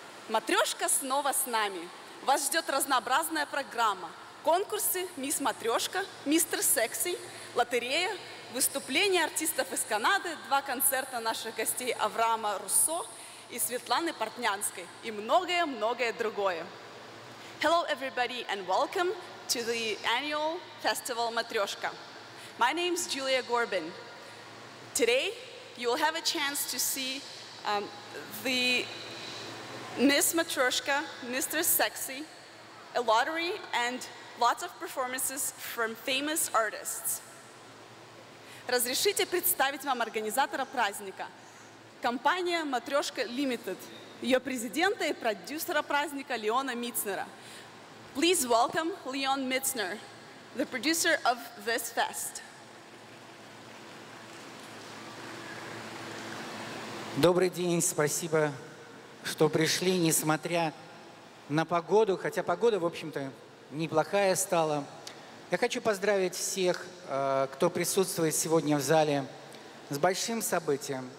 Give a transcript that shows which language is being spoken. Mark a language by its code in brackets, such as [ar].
[ru] Матрешка снова с нами. Вас ждет разнообразная программа. Конкурсы «Мисс Матрешка», «Мистер Секси», лотерея, выступления артистов из Канады, два концерта наших гостей Авраама Руссо и Светланы Портнянской и многое-многое другое. [en] Hello everybody and welcome to the annual festival Matryoshka. My name is Julia Gorbin. Today you will have a chance to see the Miss Matryoshka, Mr. Sexy, a lottery and lots of performances from famous artists. [ru] Разрешите представить вам организатора праздника. Компания Matryoshka Limited, ее президента и продюсера праздника Леона Митцнера. [en] Please welcome Leon Mitzner, the producer of this fest. [ru] Добрый день, спасибо, что пришли, несмотря на погоду, хотя погода, в общем-то, неплохая стала. Я хочу поздравить всех, кто присутствует сегодня в зале, с большим событием.